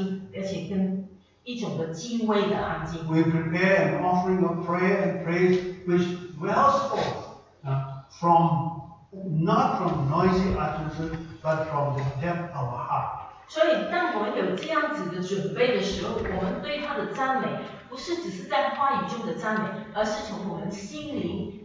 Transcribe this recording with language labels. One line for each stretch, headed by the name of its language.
Chinese: 我们的心态要来到他的面前要安静，这是一种对他的最的谦卑的安静，而且跟一种的敬畏的安静。
English: We prepare an offering of prayer and praise which wells forth from not from noisy utterances but from the depth of our heart.
Chinese: 所以，当我们有这样子的准备的时候，我们对他的赞美不是只是在话语中的赞美，而是从我们心灵。